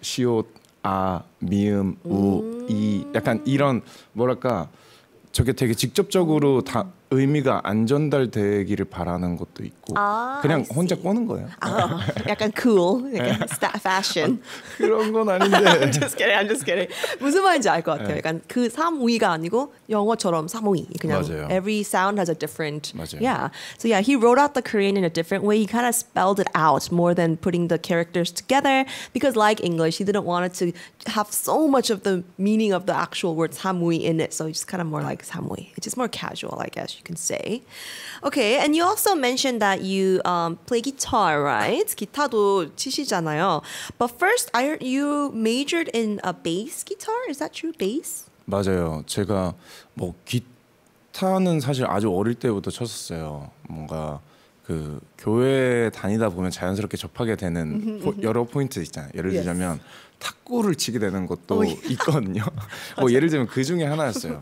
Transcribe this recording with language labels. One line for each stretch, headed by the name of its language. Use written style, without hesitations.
Korean: 시옷, 아, 미음, 우, 이 약간 이런 뭐랄까 저게 되게 직접적으로 다 의미가 안 전달되기를 바라는 것도 있고 아, 그냥 혼자 꼬는 거예요. 아, 약간 cool, 약간 fashion. 그런 건 아닌데.
English: I'm just kidding.
Korean: 무슨 말인지 알 것 같아요. 네. 약간 그 3위가 아니고 영어처럼 3위. 그냥 맞아요.
English: Every sound has a different.
Korean: 맞아요.
English: Yeah. So yeah, he wrote out the Korean in a different way. He kind of spelled it out more than putting the characters together because like English, he didn't want it to have so much of the meaning of the actual word 3위 in it. So it's just kind of more like 3위. It's just more casual, I guess. You can say, okay. And you also mentioned that you play guitar, right?
Korean: 기타도 치시잖아요.
English: But first, you majored in a bass guitar. Is that true, bass?
Korean: 맞아요. 제가 뭐 기타는 사실 아주 어릴 때부터 쳤었어요. 뭔가 그 교회 다니다 보면 자연스럽게 접하게 되는 여러 포인트 있잖아요. 예를 들자면 yes. 탁구를 치게 되는 것도 있거든요. 뭐 예를 들면 그 중에 하나였어요.